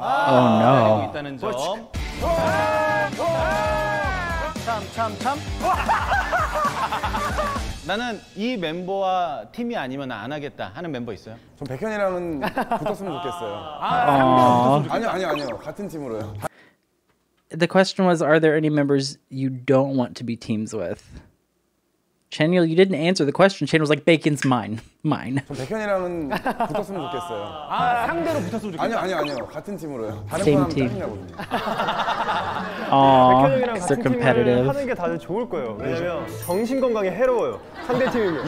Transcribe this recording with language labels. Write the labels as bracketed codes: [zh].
[ko] 나오고 있다는 점 참 나는 이 멤버와 팀이 아니면 안 하겠다 하는 멤버 있어요? 전 백현이랑은 붙었으면 좋겠어요. 아니요 같은 팀으로요. [en] The question was, are there any members you don't want to be teams with? Chaniel, you didn't answer the question. Chaniel was like, Bacon's mine. [ko] 전 백현이랑은 붙었으면 좋겠어요. 아, 상대로 붙었으면 좋겠어요. 아니요. 같은 팀으로요. 다른 Same 팀. 백현이랑 같은 competitive. 팀을 하는 게 다들 좋을 거예요. 왜냐면 정신 건강에 해로워요. 상대 팀이면.